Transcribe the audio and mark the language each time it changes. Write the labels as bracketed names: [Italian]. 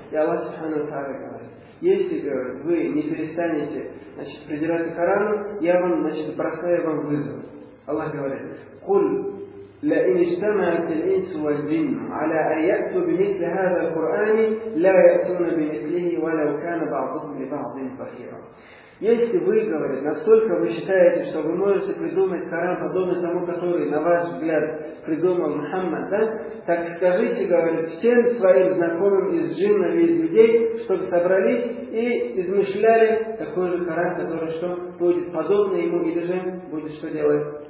[Russian] И Аллах Субхана Тааля говорит: если, говорит, вы не перестанете, значит, придираться к Корану, я вам, значит, бросаю вам вызов. Аллах говорит: «Куль». [Arabic] لئن اجتمعت الإنس والجن على أن يأتوا بمثل هذا القرآن لا يأتون بمثله ولو كان بعضهم لبعض ظهيرا. [Russian] Если вы, говорит, настолько вы считаете, что вы можете придумать Коран подобно тому, который, на ваш взгляд, придумал Мухаммад, да, так скажите, говорит, всем своим знакомым из джиннов и из людей, чтобы собрались и измышляли такой же Коран, который что, будет подобный ему или же будет что делать?